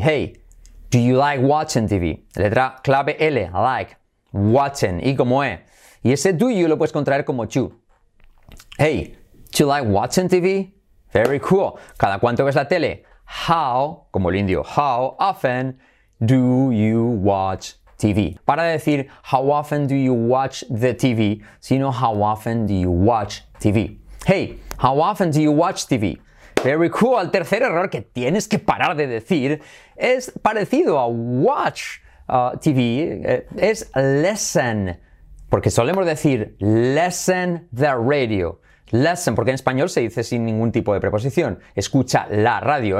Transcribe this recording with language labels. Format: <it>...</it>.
<en>Hey, do you like watching TV?</en> <es>Letra clave L,</es> <en>like, watching.</en> <es>¿Y cómo es? Y ese</es> <en>do you</en> <es>lo puedes contraer como you.</es> <en>Hey, do you like watching TV? Very cool.</en> <es>¿Cada cuánto ves la tele?</es> <en>How,</en> <es>como el indio,</es> <en>how often do you watch TV?</en> <es>Para decir</es> <en>how often do you watch the TV,</en> <es>sino</es> <en>how often do you watch TV. Hey, how often do you watch TV? Very cool.</en> <es>El tercer error que tienes que parar de decir es parecido a watch. TV, es listen, porque solemos decir</es> <en>listen the radio.</en> <es>Listen, porque en español se dice sin ningún tipo de preposición. Escucha la radio.</es>